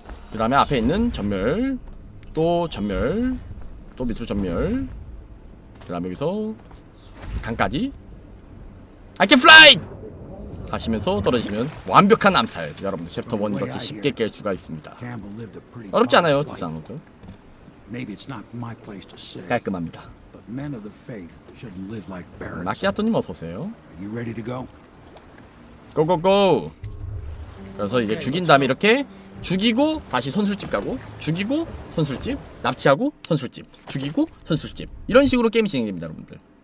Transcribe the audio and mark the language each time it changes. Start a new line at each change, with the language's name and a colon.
Korean: 그 다음에 앞에 있는 전멸 또 전멸 또 밑으로 전멸 그 다음에 여기서 강까지
English: I can fly!
Korean: 하시면서 떨어지면 완벽한 암살 여러분들 챕터 1 이렇게 쉽게 깰 수가 있습니다. 어렵지 않아요 디사노드.
English: Maybe it's not my place to say.
Korean: 깔끔합니다.
English: But men of the faith should live like barons.
Korean: 마키아토님 어서 오세요.
English: Are you ready to go? Go go go.
Korean: 그래서 이제 죽인 다음에 이렇게 죽이고 다시 선술집 가고 죽이고 선술집 납치하고 선술집 죽이고 선술집 이런 식으로 게임 진행됩니다, 여러분들.